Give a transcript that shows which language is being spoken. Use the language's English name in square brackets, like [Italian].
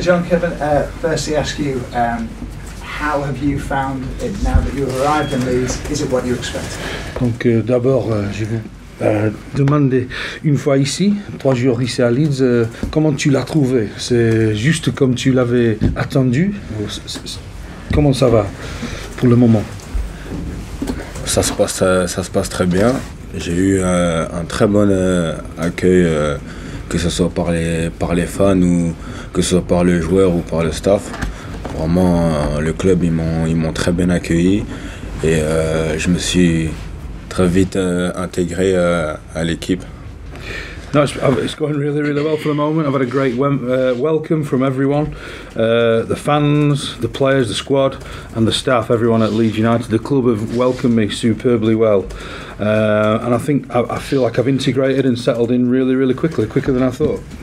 [English] Jean-Kevin, firstly ask you, how have you found it now that you've arrived in Leeds? Is it what you expected? [French] Donc d'abord, je vais demander une fois ici, trois jours ici à Leeds, comment tu l'as trouvé? C'est juste comme tu l'avais attendu? Comment ça va pour le moment? Ça se passe très bien. J'ai eu un très bon accueil, que ce soit par les fans ou que ce soit par le joueur ou par le staff. Vraiment, le club, ils m'ont très bien accueilli et je me suis très vite intégré à l'équipe. [English] No, it's going really, really well for the moment. I've had a great welcome from everyone. The fans, the players, the squad and the staff, everyone at Leeds United. The club have welcomed me superbly well. And I think I feel like I've integrated and settled in really, really quickly, quicker than I thought.